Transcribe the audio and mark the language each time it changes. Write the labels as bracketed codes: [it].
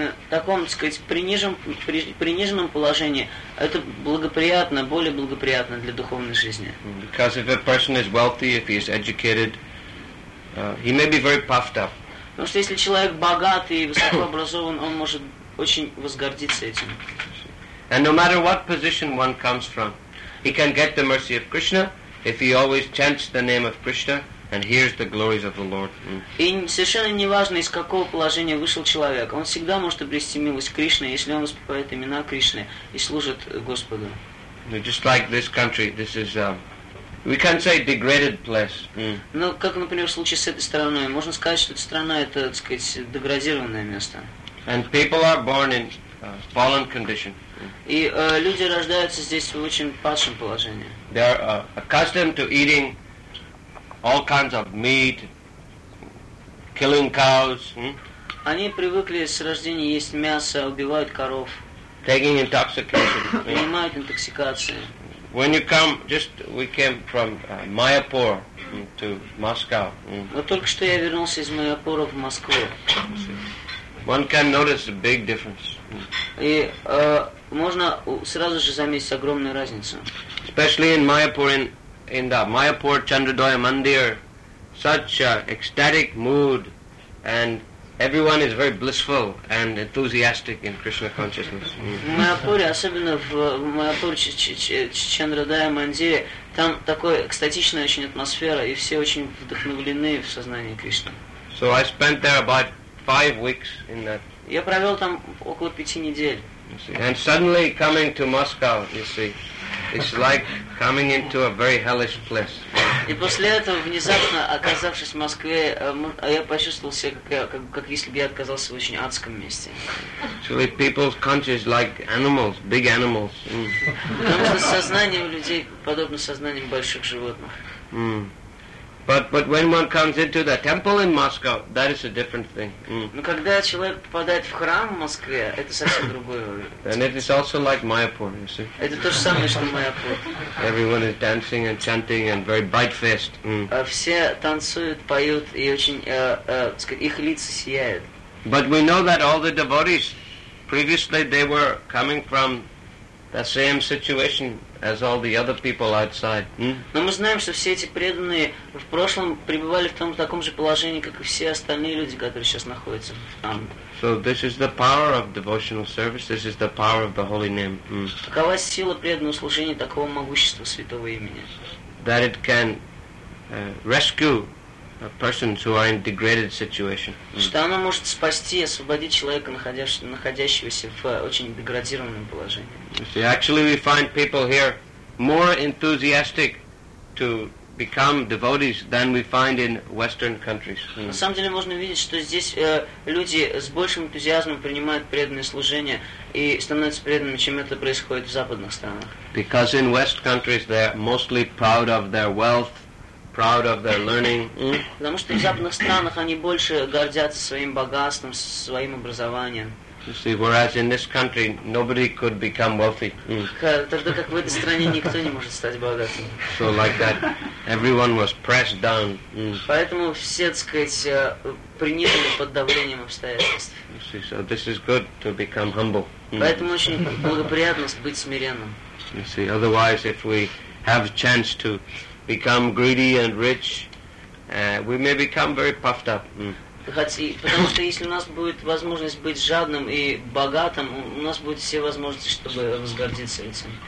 [ru] таком, так сказать, приниженном положении, это благоприятно, более благоприятно для духовной жизни. [en] Because if a person is wealthy, if he is educated, he may be very puffed up. [ru] Потому что если человек богатый и высоко образован, он может очень возгордиться этим. [en] And no matter what position one comes from, he can get the mercy of Krishna if he always chants the name of Krishna and hears the glories of the Lord. [ru] И совершенно неважно, из какого положения вышел человек, он всегда может обрести милость Кришны, если он воспевает имена Кришны и служит Господу. [en] Just like this country, this is we can say degraded place. [ru] Ну, как, например, в случае с этой страной, можно сказать, что эта страна это, так сказать, деградированное место. [en] And people are born in fallen condition. [ru] И люди рождаются здесь в очень падшем положении. [en] They are accustomed to eating all kinds of meat, killing cows. [ru] Они привыкли с рождения есть мясо, убивают коров. [en] Taking intoxication. [ru] Принимают интоксикации. [en] When you come, just we came from Mayapur to Moscow. [ru] Вот только что я вернулся из Майяпура в Москву. [en] One can notice a big difference. [ru] И можно сразу же заметить огромную разницу. [en] Especially in Mayapur, in the Mayapur Chandradoya Mandir, such a ecstatic mood, and everyone is very blissful and enthusiastic in Krishna consciousness. [ru] В Майяпуре, особенно в Майяпур Чандрадая Мандире, там такой экстатичная очень атмосфера, и все очень вдохновлены в сознании Кришны. [en] So I spent there about 5 weeks in that. [ru] Я провел там около 5 недель. [en] And suddenly coming to Moscow, you see, it's like coming into a very hellish place. [ru] И после этого внезапно оказавшись в Москве, я почувствовал себя как если бы я оказался в очень адском месте. [en] Actually, people's conscious like animals, big animals. [ru] Потому что сознание у людей подобно сознанию больших животных. [en] But when one comes into the temple in Moscow, that is a different thing. [ru] Но когда человек попадает в храм в Москве, это совсем другое. [en] And it is also like Mayapur, you see. [ru] Это то же самое, что Mayapur. [en] Everyone is dancing and chanting and very bright-faced. [ru] Все танцуют, поют и очень, их лица сияют. [en] But we know that all the devotees, previously they were coming from the same situation as all the other people outside. [ru] Но мы знаем, что все эти преданные в прошлом пребывали в том таком же положении, как и все остальные люди, которые сейчас находятся там. [en] So this is the power of devotional service. This is the power of the holy name. [ru] Какова сила преданного служения такого могущества святого имени? [en] That it can rescue persons who are in degraded situation. [ru] Что оно может спасти, освободить человека, находящегося в очень деградированном положении. [en] See, actually, we find people here more enthusiastic to become devotees than we find in Western countries. [ru] На самом деле можно видеть, что здесь люди с большим энтузиазмом принимают преданное служение и становятся преданными, чем это происходит в западных странах. [en] Because in West countries they're mostly proud of their wealth, proud of their learning. [ru] Потому что в западных странах они больше гордятся своим богатством, своим образованием. [en] You see, whereas in this country nobody could become wealthy. [ru] Тогда как в этой стране никто не может стать богатым. [en] So like that, everyone was pressed down. [ru] Поэтому все, так сказать, принижены под давлением обстоятельств. [en] You see, so this is good to become humble. [ru] Поэтому очень благоприятно быть смиренным. [en] You see, otherwise, if we have a chance to become greedy and rich, we may become very puffed up. [ru] Потому что если у нас будет возможность быть жадным и богатым, у нас будут все возможности, чтобы возгордиться этим.